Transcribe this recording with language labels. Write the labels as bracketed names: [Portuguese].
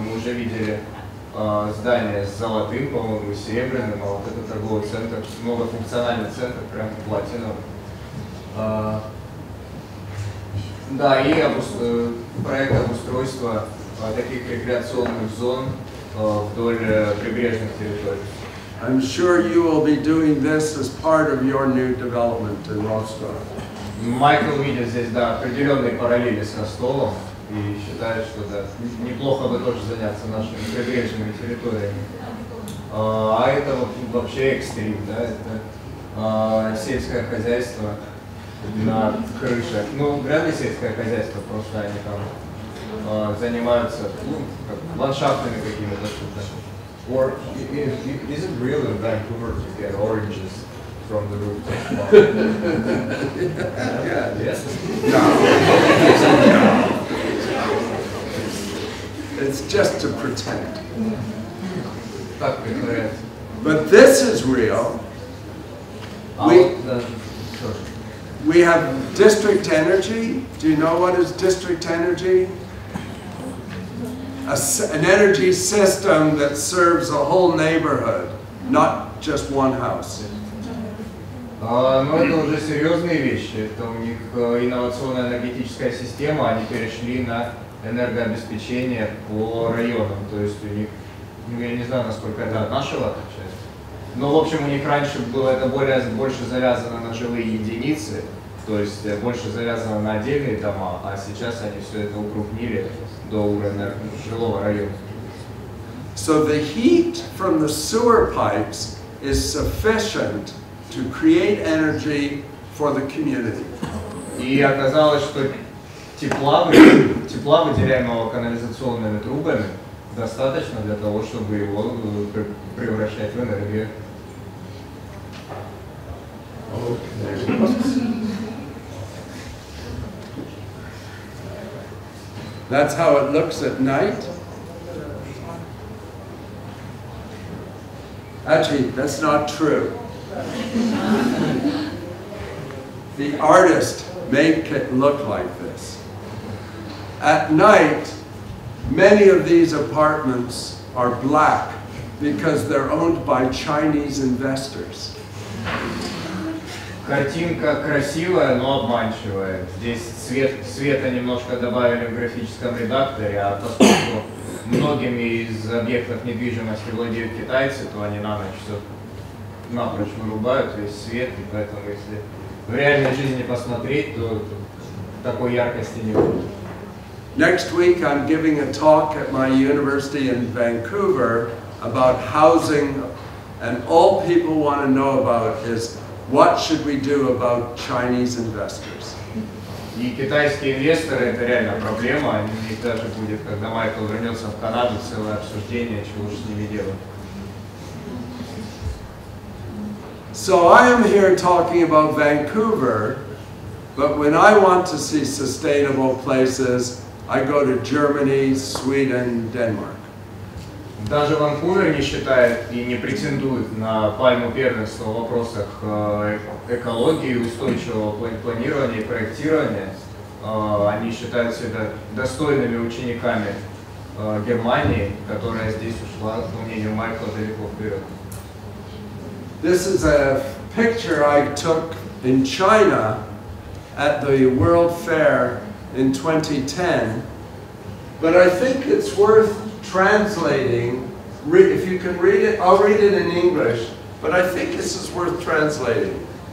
[Russian] Мы уже видели здание с золотым, по-моему, и серебряным, а вот этот торговый центр, многофункциональный центр, прям платиновый. Да, и проект обустройства таких рекреационных зон вдоль прибрежных территорий. [English] I'm sure you will be doing this as part of your new development in Ростов. [Russian] Майкл видит здесь, да, определенные параллели с Ростовом и считает, что да, неплохо бы тоже заняться нашими прибрежными территориями. А это вообще экстрим, да, это сельское хозяйство на крыше. Ну, вряд ли сельское хозяйство, просто они там занимаются, ну, как, ландшафтными какими-то штуками. [English] Or is it real in Vancouver to get oranges from the rooftop? Yeah. Yes. No. It's just to pretend. But this is real. We have district energy. Do you know what is district energy? An energy system that serves a whole neighborhood, not just one house. [Russian] Ну, это уже серьезные вещи. Это у них инновационная энергетическая система, они перешли на энергообеспечение по районам. То есть у них, ну, я не знаю, насколько это от нашего отличается. Но, в общем, у них раньше было это больше завязано на жилые единицы, то есть больше завязано на отдельные дома, а сейчас они все это укрупнили до уровня жилого района. [English] So the heat from the sewer pipes is sufficient to create energy for the community. [Russian] И оказалось, что тепла, выделяемого канализационными трубами, достаточно для того, чтобы его превращать в энергию. [English] That's how it looks at night. Actually, that's not true. The artist make it look like this. At night, many of these apartments are black because they're owned by Chinese investors. [Russian] Картинка красивая, но обманчивая. Здесь света немножко добавили в графическом редакторе, а поскольку многими из объектов недвижимости владеют китайцы, то они на ночь все напрочь вырубают весь свет, и поэтому если в реальной жизни посмотреть, то такой яркости не будет. [English] Next week I'm giving a talk at my university in Vancouver about housing, and all people want to know about is what should we do about Chinese investors? [Russian] И китайские инвесторы — это реально проблема. У них даже будет, когда Майкл вернется в Канаду, целое обсуждение, чего же с ними делать. [English] So I am here talking about Vancouver, but when I want to see sustainable places, I go to Germany, Sweden, Denmark. [Russian] Даже Ванкувер не считает и не претендует на пальму первенства в вопросах экологии, устойчивого планирования и проектирования. Они считают себя достойными учениками Германии, которая здесь ушла, по мнению Майкла, далеко вперед. [English] This is a picture I took in China at the World Fair in 2010, but I think it's worth translating. If you can read it, I'll read it in English, but I think this is worth translating.